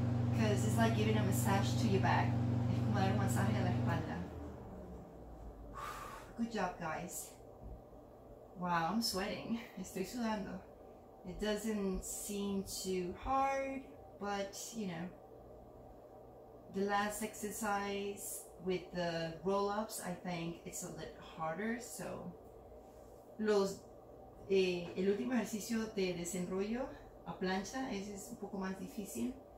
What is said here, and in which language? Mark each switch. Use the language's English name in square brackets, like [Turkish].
[English] Because it's like giving a massage to your back. [Spanish] Es como dar un masaje a la espalda. [English] Good job, guys. Wow, I'm sweating. [Spanish] Estoy sudando. [English] It doesn't seem too hard, but you know. The last exercise with the roll-ups, I think it's a little harder, so. [Spanish] El último ejercicio de desenrollo a plancha, ese es un poco más difícil.